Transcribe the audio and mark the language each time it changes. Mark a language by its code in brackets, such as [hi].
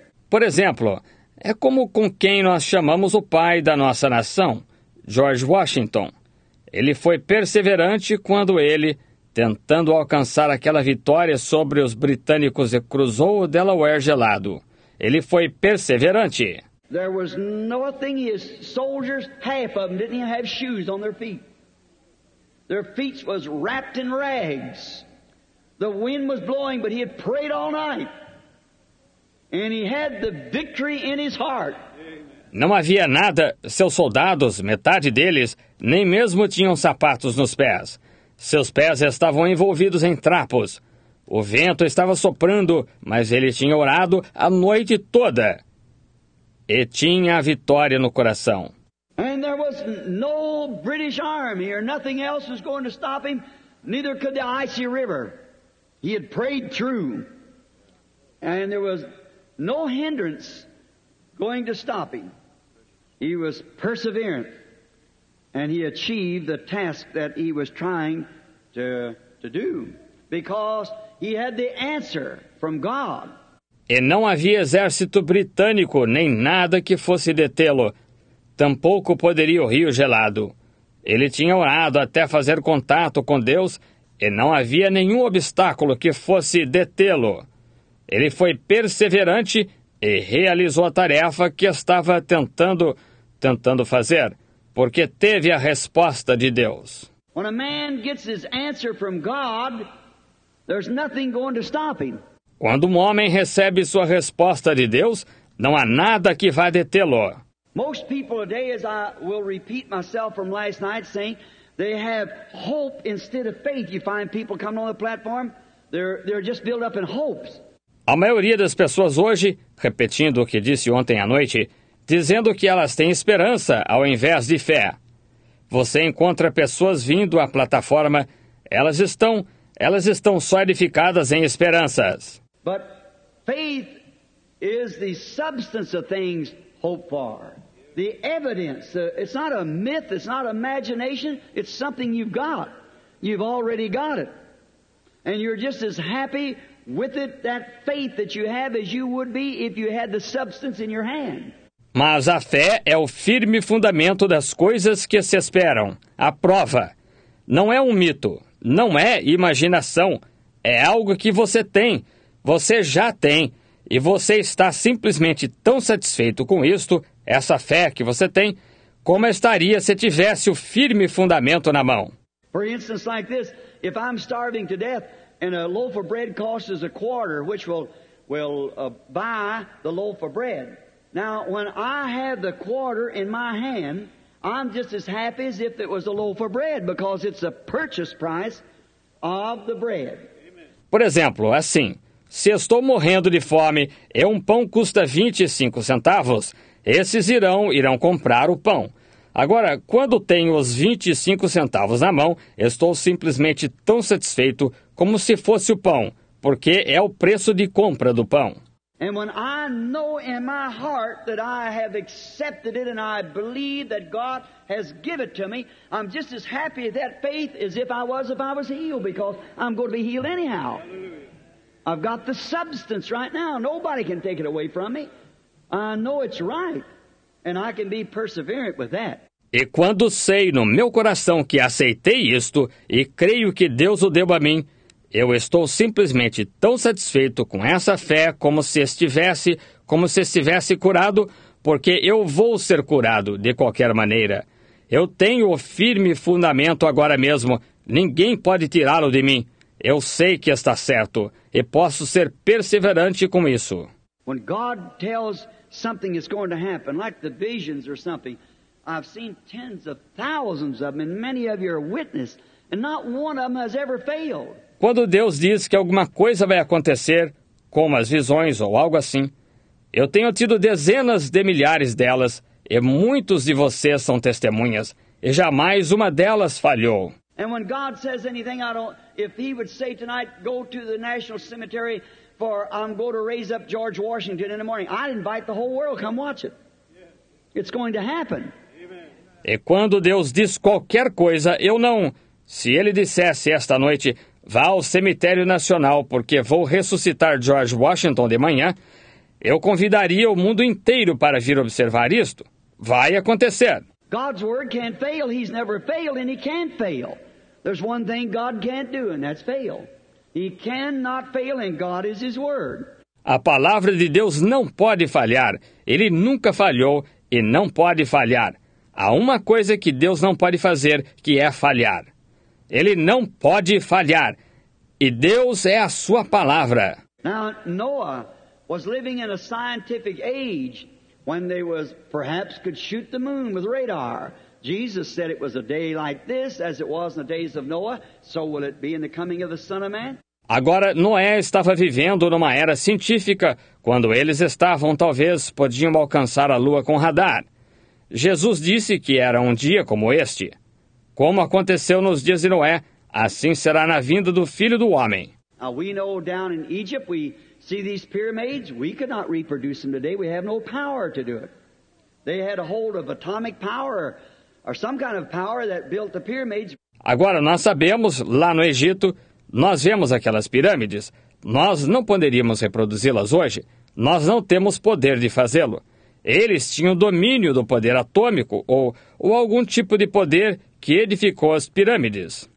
[pt] Por exemplo, é como com quem nós chamamos o pai da nossa nação, George Washington. Ele foi perseverante quando ele, tentando alcançar aquela vitória sobre os britânicos, cruzou o Delaware gelado. ele foi perseverante. [en] There was nothing his soldiers, half of them didn't even have shoes on their feet. Their feet was wrapped in rags. The wind was blowing, but he had prayed all night. And he had the victory in his heart. [pt] Não havia nada, seus soldados, metade deles, nem mesmo tinham sapatos nos pés. Seus pés estavam envolvidos em trapos. O vento estava soprando, mas ele tinha orado a noite toda. E tinha a vitória no coração. [en] And there was no British army or nothing else was going to stop him, neither could the icy river. He had prayed through. And there was no hindrance going to stop him. He was perseverant, and he achieved the task that he was trying to do, because he had the answer from God. [pt] E não havia exército britânico, nem nada que fosse detê-lo. Tampouco poderia o rio gelado. Ele tinha orado até fazer contato com Deus, e não havia nenhum obstáculo que fosse detê-lo. Ele foi perseverante e realizou a tarefa que estava tentando fazer, porque teve a resposta de Deus. [en] When a man gets his answer from God, there's nothing going to stop him. [pt] Quando um homem recebe sua resposta de Deus, não há nada que vá detê-lo. [en] Most people today, as I will repeat myself from last night, saying they have hope instead of faith. You find people coming on the platform, they're just built up in hopes. [pt] A maioria das pessoas hoje, repetindo o que disse ontem à noite, dizendo que elas têm esperança ao invés de fé. Você encontra pessoas vindo à plataforma, elas estão só edificadas em esperanças. [en] But faith is the substance of things hoped for. The evidence, it's not a myth, it's not imagination, it's something you've got. You've already got it. And you're just as happy with it, that faith that you have, as you would be if you had the substance in your hand. [pt] Mas a fé é o firme fundamento das coisas que se esperam, a prova. Não é um mito, não é imaginação, é algo que você tem, você já tem, e você está simplesmente tão satisfeito com isto, essa fé que você tem, como estaria se tivesse o firme fundamento na mão. [en] For instance, like this, if I'm starving to death, and a loaf of bread costs a quarter, which will buy the loaf of bread. Now, when I have the quarter in my hand, I'm just as happy as if it was a loaf of bread, because it's a purchase price of the bread. [pt] Por exemplo, assim, se estou morrendo de fome e um pão custa 25 centavos, esses irão comprar o pão. Agora, quando tenho os 25 centavos na mão, estou simplesmente tão satisfeito como se fosse o pão, porque é o preço de compra do pão. [en] And when I know in my heart that I have accepted it and I believe that God has given it to me, I'm just as happy with that faith as if I was healed, because I'm going to be healed anyhow. I've got the substance right now. Nobody can take it away from me. I know it's right, and I can be perseverant with that. [pt] E quando sei no meu coração que aceitei isto e creio que Deus o deu a mim, eu estou simplesmente tão satisfeito com essa fé como se estivesse curado, porque eu vou ser curado de qualquer maneira. Eu tenho o firme fundamento agora mesmo. Ninguém pode tirá-lo de mim. Eu sei que está certo e posso ser perseverante com isso. [en] When God tells something is going to happen, like the visions or something, I've seen tens of thousands of them, and many of you are witness, and not one of them has ever failed. [pt] Quando Deus diz que alguma coisa vai acontecer, como as visões ou algo assim, eu tenho tido dezenas de milhares delas, e muitos de vocês são testemunhas, e jamais uma delas falhou. [en] And when God says anything, if he would say tonight, go to the National Cemetery, for I'm going to raise up George Washington in the morning, I'd invite the whole world, come watch it. It's going to happen. [pt] E quando Deus diz qualquer coisa, eu não. Se ele dissesse esta noite, vá ao cemitério nacional, porque vou ressuscitar George Washington de manhã, eu convidaria o mundo inteiro para vir observar isto. Vai acontecer. [en] God's word can't fail. He's never failed, and he can't fail. There's one thing God can't do, and that's fail. He cannot fail, and God is his word. [pt] A palavra de Deus não pode falhar. Ele nunca falhou e não pode falhar. Há uma coisa que Deus não pode fazer, que é falhar. Ele não pode falhar. E Deus é a sua palavra. [en] Now, Noah was living in a scientific age when they was perhaps could shoot the moon with radar. Jesus said it was a day like this as it was in the days of Noah, so will it be in the coming of the Son of Man? [pt] Agora, Noé estava vivendo numa era científica, quando eles estavam, talvez, podiam alcançar a lua com radar. Jesus disse que era um dia como este. Como aconteceu nos dias de Noé, assim será na vinda do Filho do Homem. [en] We know down in Egypt, we see these pyramids, we could not reproduce them today, we have no power to do it. They had a hold of atomic power, or some kind of power that built the pyramids. [pt] Agora, nós sabemos, lá no Egito, nós vemos aquelas pirâmides. Nós não poderíamos reproduzi-las hoje. Nós não temos poder de fazê-lo. Eles tinham domínio do poder atômico ou algum tipo de poder que edificou as pirâmides.